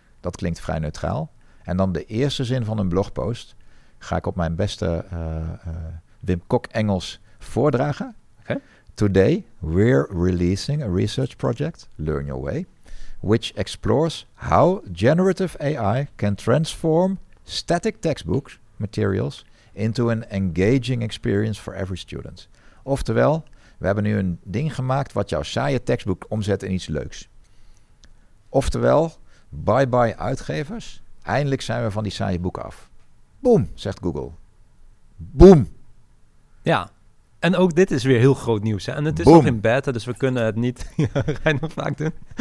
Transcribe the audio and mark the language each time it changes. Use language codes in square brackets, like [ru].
[nl] Dat klinkt vrij neutraal. En dan de eerste zin van een blogpost ga ik op mijn beste Wim Kok Engels voordragen. Okay. [en] Today we're releasing a research project, Learn Your Way, which explores how generative AI can transform static textbook materials into an engaging experience for every student. [nl] Oftewel, we hebben nu een ding gemaakt wat jouw saaie textbook omzet in iets leuks. Oftewel, bye-bye uitgevers, eindelijk zijn we van die saaie boeken af. Boom, zegt Google. Boom. Ja. En ook dit is weer heel groot nieuws. Hè? En het is nog in beta, dus we kunnen het niet vaak doen.